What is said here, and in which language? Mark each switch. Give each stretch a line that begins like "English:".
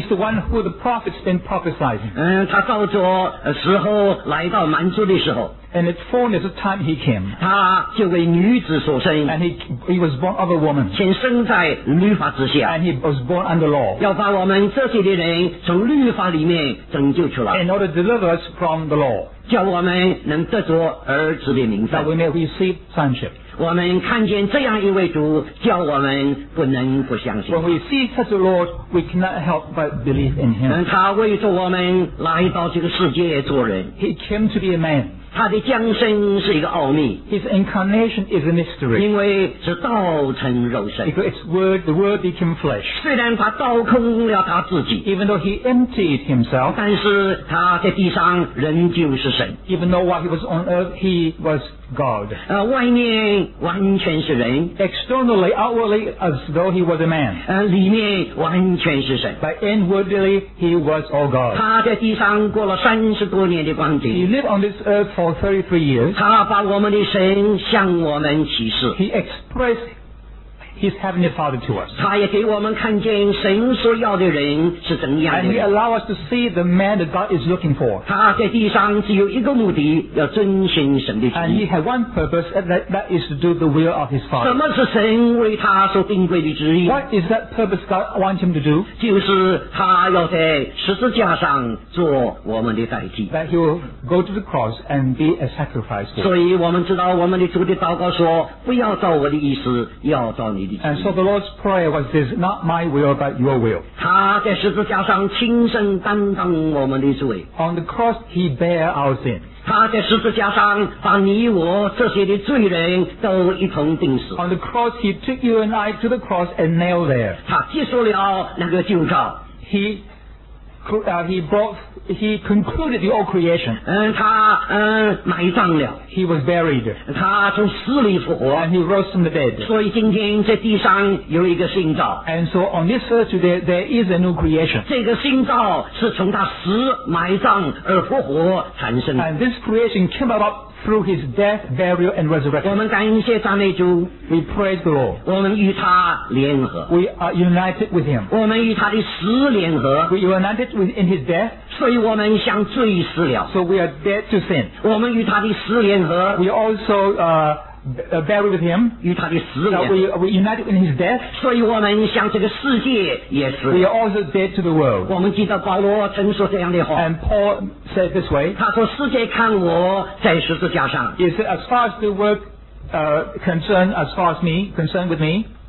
English: He is the one who the prophet's been prophesizing.
Chinese: 他造作时候来到满足的时候。
English: And its fullness of time he came.
Chinese: 他就为女子所生。
English: And he was born of a woman.
Chinese: 先生在律法之下。
English: And he was born under law.
Chinese: 要把我们这些的人从律法里面拯救出来。
English: In order to deliver us from the law.
Chinese: 叫我们能得着儿子的名分。
English: That we may receive sonship.
Chinese: 我们看见这样一位主，叫我们不能不相信。
English: When we see such a Lord, we cannot help but believe in him.
Chinese: 他为着我们来到这个世界做人。
English: He came to be a man.
Chinese: 他的降生是一个奥秘
English: His incarnation is a mystery
Chinese: 因为是道成肉身
English: Because it's word, the word became flesh
Chinese: 虽然他倒空了他自己
English: Even though he emptied himself
Chinese: 但是他在地上仍旧是神
English: Even though while he was on earth, he was God
Chinese: 外面完全是人
English: Externally, outwardly, as though he was a man
Chinese: 里面完全是神
English: But inwardly, he was all God
Chinese: 他在地上过了三十多年的光景
English: He lived on this earthfor 33 years he expressed His Heavenly Father to us.
Chinese: 他也给我们看见神所要的人是怎样的人。
English: And He allows us to see the man that God is looking for.
Chinese: 他在地上只有一个目的，要遵循神的旨意。
English: And He had one purpose, and that is to do the will of His Father.
Chinese: 什么是神为他所定规的旨意？
English: What is that purpose God wants Him to do?
Chinese: 就是他要在十字架上做我们的代替。
English: That He will go to the cross and be a sacrifice.
Chinese: 所以我们知道我们的主的祷告说，不要照我的意思，要照你。
English: And so the Lord's prayer was this, not my will, but your will.
Chinese: 他在十字架上亲身担当我们的罪。
English: On the cross, He bare our sin.
Chinese: 他在十字架上把你我这些的罪人都一同钉死。
English: On the cross, He took you and I to the cross and nailed there.
Chinese: 他接受了那个旧照。
English: He concluded the old creation.
Chinese: 埋葬了。
English: He was buried.
Chinese: 他从死里复活。
English: And he rose from the dead.
Chinese: 所以今天在地上有一个新造。
English: And so on this earth today, there is a new creation.
Chinese: 这个新造是从他死、埋葬而复活产生的。
English: And this creation came about through his death, burial, and resurrection.
Chinese: 我们感谢赞美主。
English: We praise the Lord.
Chinese: 我们与他联合。
English: We are united with him.
Chinese: 我们与他的死联合。
English: We are united in his death.
Chinese: 所以我们向罪死了。
English: So we are dead to sin.
Chinese: 我们与他的死联合。
English: We also buried with him.
Chinese: 与他的死联合。
English: We united in his death.
Chinese: 所以我们向这个世界也死。
English: We are also dead to the world.
Chinese: 我们记得保罗曾说这样的话。
English: And Paul said this way.
Chinese: 他说世界看我在十字架上。
English: He said as far as the world concerned with me.